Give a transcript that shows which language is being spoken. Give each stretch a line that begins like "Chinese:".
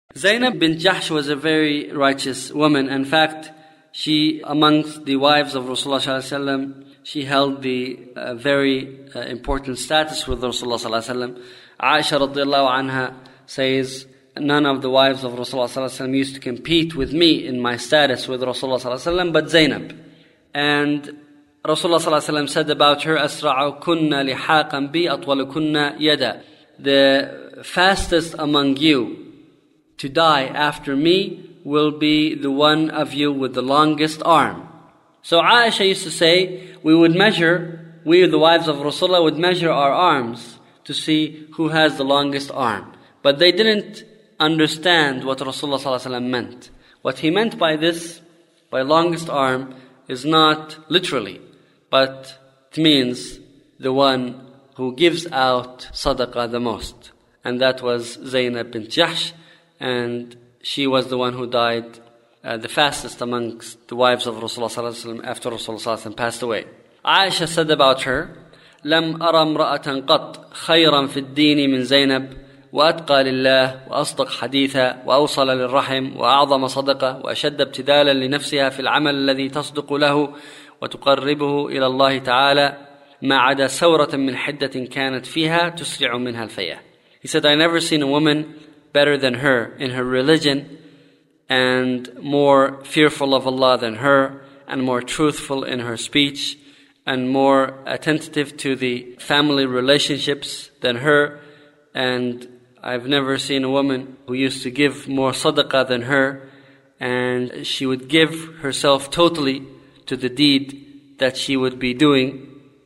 English: Zainab bint Jahsh was a very righteous woman. In fact, she, amongst the wives of Rasulullah ﷺ, she held the very important status with Rasulullah ﷺ. Aisha radiallahu anha says, none of the wives of Rasulullah ﷺ used to compete with me in my status with Rasulullah ﷺ, but Zainab. And Rasulullah ﷺ said about her,
Arabic: أَسْرَعُ كُنَّ لِحَاقًا بِي أَطْوَلُكُنَّ يَدًا.
English: The fastest among you to die after me will be the one of you with the longest arm. So Aisha used to say, we, the wives of Rasulullah, would measure our arms to see who has the longest arm. But they didn't understand what Rasulullah ﷺ meant. What he meant by this, by longest arm, is not literally, but it means the one who gives out sadaqah the most. And that was Zainab bint Jahsh, and she was the one who died the fastest amongst the wives of Rasulullah ﷺ after Rasulullah ﷺ passed away. Aisha said about her,
Arabic: لَمْ أَرَ امْرَأَةً قَطْ خَيْرًا فِي الدِّينِ مِنْ زَيْنَبْ وَأَتْقَى لِلَّهِ وَأَصْدَقْ حَدِيثًا وَأَوْصَلَ لِلرَّحِمْ وَأَعْظَمَ صَدَقَةً وَأَشَدَّ ابْتِدَالًا لِنَفْسِهَا فِي الْعَمَلِ الَّذِي تَصْدُقُ لَهُ وَتُقَرِّبُهُ إِلَى اللَّهِ تَعَالَى مَا عَدَا سَوْرَةً مِنْ حِدَّةٍ كَانَتْ فِيهَا تُسْرِعُ مِنْهَا الْفَيَّةِ.
English: He said, I never seen a woman better than her in her religion and more fearful of Allah than her and more truthful in her speech and more attentive to the family relationships than her. And I've never seen a woman who used to give more sadaqah than her, and she would give herself totally to the deed that she would be doing.